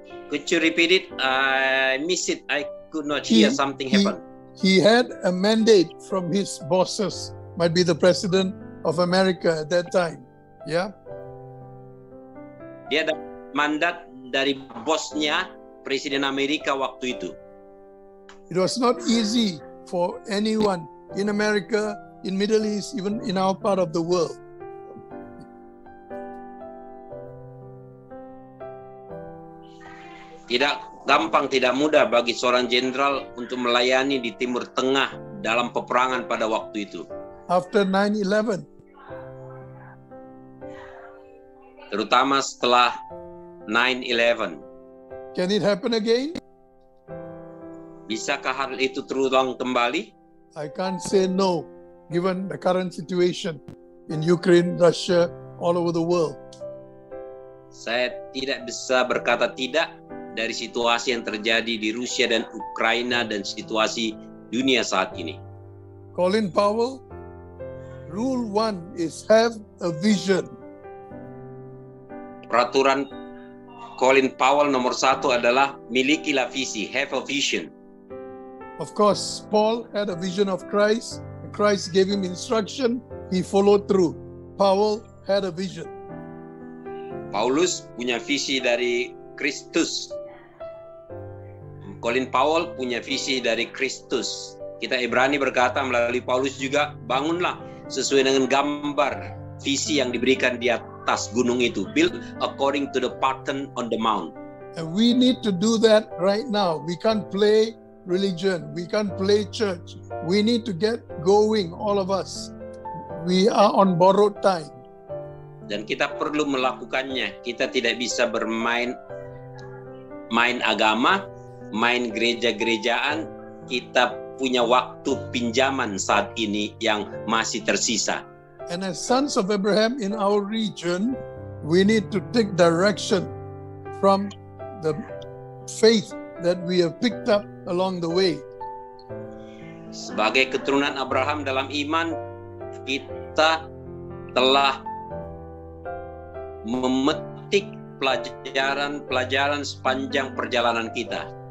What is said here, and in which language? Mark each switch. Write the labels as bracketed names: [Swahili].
[English] Could you repeat it? I miss it. I could not hear something happen. He had a mandate from his bosses, might be the President of America at that time. Yeah? [Indonesian] Dia ada mandat dari bosnya, Presiden Amerika waktu itu. [English] It was not easy for anyone in America, in Middle East, even in our part of the world. [Indonesian] Tidak gampang, tidak mudah bagi seorang jenderal untuk melayani di Timur Tengah dalam peperangan pada waktu itu. [English] After 9/11. [Indonesian] Terutama setelah 9/11. [English] Can it happen again? [Indonesian] Bisakah hal itu terulang kembali? [English] I can't say no, given the current situation in Ukraine, Russia, all over the world. [Indonesian] Saya tidak bisa berkata tidak dari situasi yang terjadi di Rusia dan Ukraina dan situasi dunia saat ini. [English] Colin Powell, rule one is have a vision. [Indonesian] Peraturan Colin Powell nomor satu adalah milikilah visi, [English] have a vision. Of course, Paul had a vision of Christ. Christ gave him instruction. He followed through. Powell had a vision. [Indonesian] Paulus punya visi dari Kristus. Colin Powell punya visi dari Kristus. Kita Ibrani berkata melalui Paulus juga, bangunlah sesuai dengan gambar visi yang diberikan di atas gunung itu. [English] Build according to the pattern on the mount. And we need to do that right now. We can't play religion. We can't play church. We need to get going, all of us. We are on borrowed time. [Indonesian] Dan kita perlu melakukannya. Kita tidak bisa bermain agama, main gereja-gerejaan. Kita punya waktu pinjaman saat ini yang masih tersisa. [English] And as sons of Abraham in our region, we need to take direction from the faith that we have picked up along the way. [Indonesian] Sebagai keturunan Abraham dalam iman, kita telah memetik pelajaran-pelajaran sepanjang perjalanan kita.